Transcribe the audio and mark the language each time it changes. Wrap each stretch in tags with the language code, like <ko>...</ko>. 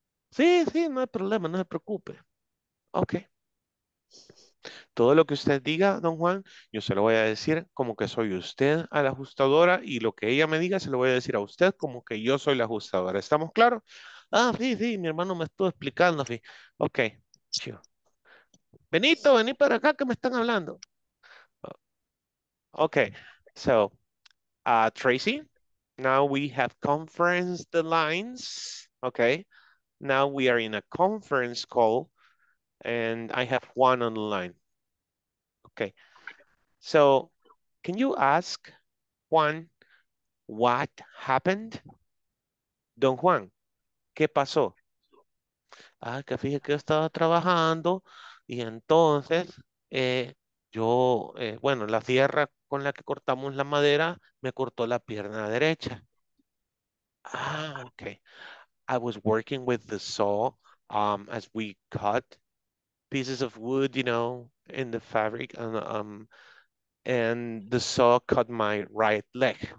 <es>Sí, sí, no hay problema, no se preocupe. Ok. Todo lo que usted diga, don Juan, yo se lo voy a decir como que soy usted a la ajustadora, y lo que ella me diga se lo voy a decir a usted como que yo soy la ajustadora. ¿Estamos claros? Ah, sí, sí, mi hermano me estuvo explicando. Sí. Ok. Benito, vení para acá que me están hablando.</es> <en>Ok. So, Tracy, now we have conference the lines. Ok. Now we are in a conference call. And I have Juan on the line. Okay. So can you ask Juan what happened?</en> <es>Don Juan, ¿qué pasó? Ah, que fíjate que estaba trabajando y entonces la sierra con la que cortamos la madera me cortó la pierna derecha.</es> <en>Ah, okay. I was working with the saw as we cut pieces of wood, you know, in the fabric, and the saw cut my right leg.</en>